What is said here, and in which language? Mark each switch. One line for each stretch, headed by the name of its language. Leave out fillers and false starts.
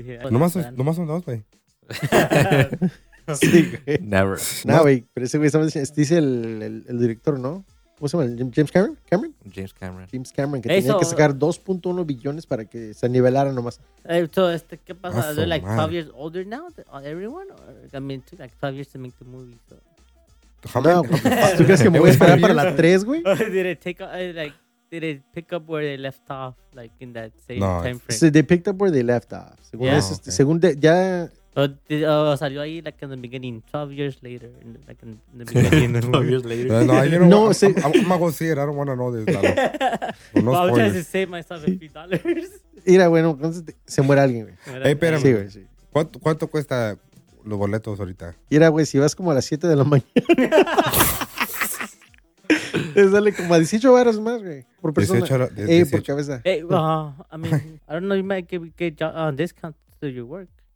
Spanish: Nomás son dos, güey. Sí, güey.
English: Never.
Spanish: No, güey. Pero ese güey, dice el director, ¿no? ¿Cómo se llama? ¿James Cameron? ¿Cameron? James Cameron. James Cameron, que tenía que sacar 2.1 billones para que se nivelara nomás. ¿Qué pasa?
English: Oh, ¿they're like 12 years older now? ¿Everyone? Or, I mean, took like 12 years to make the movie. So.
Spanish: No, ¿tú crees que me voy a esperar para la 3, güey?
English: ¿Did it pick up where they left off? Like, in that same time frame. So they picked up where they left off.
Spanish: Salió ahí,
English: like, in the beginning, 12 years later. In the beginning. 12 years later. No, I'm a gozier. I don't want to know this. No, I'm trying to save myself $50.
Spanish: Mira, bueno, se muere alguien, güey. Hey, espérame. Sí, güey, sí. ¿Cuánto cuesta los boletos ahorita? Mira, güey, si vas como a las 7 de la mañana. Te sale como a 18 baros más, güey, por persona. 18 baros. Por cabeza.
English: I don't know, you might get discount to your work.